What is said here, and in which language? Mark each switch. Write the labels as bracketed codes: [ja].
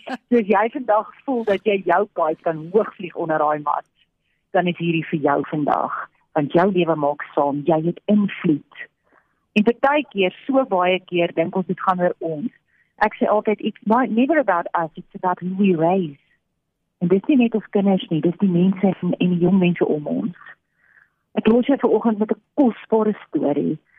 [af] So as jy vandag voel dat jy jou kaart kan hoog vlieg onder die mat, dan is hierdie vir jou vandag. Want jou lewe maak saam, jy het invloed. En baie keer, so baie keer, dink ons dit gaan oor ons. Ek sê altyd, [en] it's not, never about us, it's about who we raise. [af] En dit is nie net ons kinders nie, dit is die mense en die jong mense om ons. Ek los jou vanoggend met 'n kosbare story.